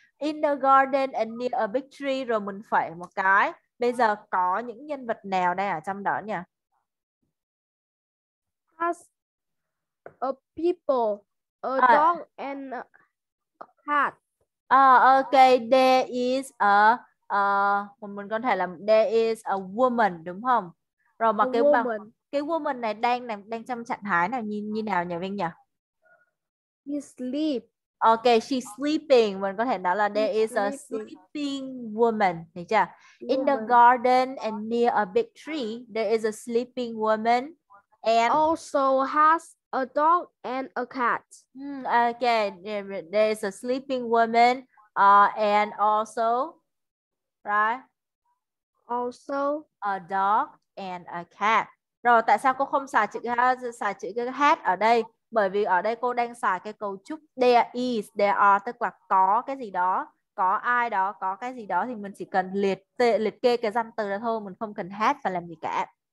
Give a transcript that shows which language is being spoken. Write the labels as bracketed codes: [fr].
[en] In the garden and near a big tree, [vi] rồi mình phải một cái. Bây giờ có những nhân vật nào đây ở trong đó nhỉ? [en] Has a people, a dog and a cat. Okay, there is a, [vi] mình có thể là [en] there is a woman, [vi] đúng không? Rồi mà a cái [en] woman. [vi] Cái woman này đang trong trạng thái nào như nào nhỉ Vinh nhỉ? [en] She sleep. Okay, she's sleeping. [vi] Mình có thể nói là [en] there is a sleeping woman, [vi] được chưa? [en] In the garden and near a big tree, there is a sleeping woman and also has a dog and a cat. Okay, there is a sleeping woman and also right? Also a dog and a cat. [vi] Rồi tại sao cô không xài chữ cái hat ở đây? Bởi vì ở đây cô đang xài cái cấu trúc [en] there is, there are, [vi] tức là có cái gì đó, có ai đó, có cái gì đó thì mình chỉ cần liệt kê cái danh từ đó thôi, mình không cần hat và làm gì cả.